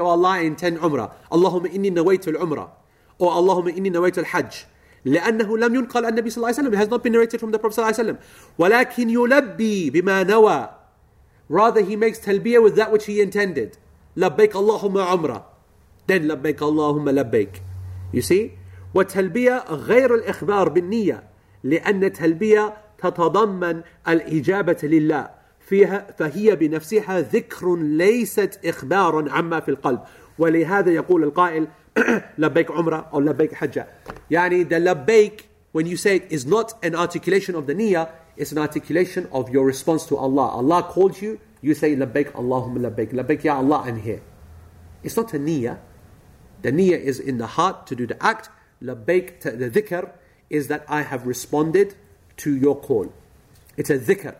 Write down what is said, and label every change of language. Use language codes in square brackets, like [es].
[en] Oh Allah, I intend Umrah. [ar] Allahumma inni nawaitu al-Umrah. [en] Or [ar] Allahumma inni nawaitu al-Hajj. لأنه لم ينقل عن النبي صلى الله عليه وسلم. [en] It has not been narrated from the Prophet [ar] صلى الله عليه وسلم. ولكن يلبي بما نوى. [en] Rather, he makes talbiyah with that which he intended. [ar] لبيك اللهم عمرة. Then لبيك اللهم لبيك. [en] You see, [ar] وتلبية غير الإخبار بالنية لأن تلبية تتضمن الإجابة لله فيها فهي بنفسها ذكر ليست إخبار عما في القلب ولهذا يقول القائل لبيك عمرة أو لبيك حجة. [en] يعني the لبيك when you say it is not an articulation of the نية, it's an articulation of your response to Allah. Allah called you, you say [ar] لبيك اللهم لبيك لبيك يا الله [en] I'm here. It's not a niyyah. The niyyah is in the heart to do the act. Labbaik, the dhikr, is that I have responded to your call. It's a dhikr.